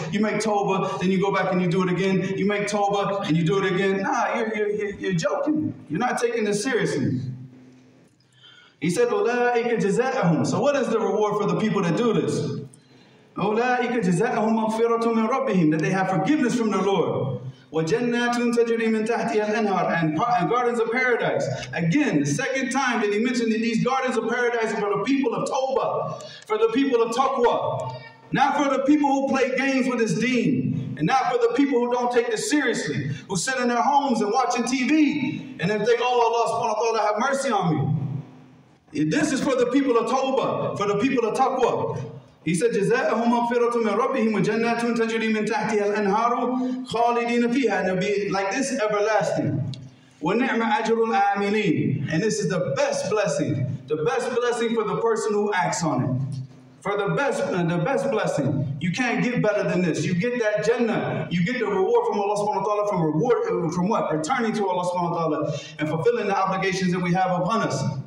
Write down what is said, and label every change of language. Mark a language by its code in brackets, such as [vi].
[en] You make Tawbah, then you go back and you do it again. You make Tawbah and you do it again. Nah, you're joking. You're not taking this seriously. He said, [ar] أُولَٰئِكَ جَزَاءَهُمْ [en] So what is the reward for the people that do this? [ar] أُولَٰئِكَ جَزَاءَهُمْ مَغْفِرَةٌ مِنْ رَبِّهِمْ [en] That they have forgiveness from their Lord. [ar] وَجَنَّاتٌ تَجْرِي مِنْ تَحْتِيَ الْأَنْهَارِ [en] And gardens of paradise. Again, the second time that he mentioned that these gardens of paradise are for the people of Tawbah, for the people of Taqwa, not for the people who play games with his deen, and not for the people who don't take this seriously, who sit in their homes and watching TV, and then think, "Oh, Allah subhanahu wa ta'ala, have mercy on me." This is for the people of Tawbah, for the people of Taqwa. He said, [ar] جَزَاءَهُمْ مَغْفِرَةٌ مِنْ رَبِّهِمْ وَجَنَّاتٌ تَجْرِي مِنْ تَحْتِهَا الْأَنْهَارُ خَالِدِينَ فِيهَا [en] And it'll be like this everlasting. [ar] وَنِعْمَ أَجْرُ الْعَامِلِينَ [en] And this is the best blessing for the person who acts on it. For the best blessing. You can't get better than this. You get that Jannah. You get the reward from Allah subhanahu wa ta'ala from what? Returning to Allah subhanahu wa ta'ala and fulfilling the obligations that we have upon us.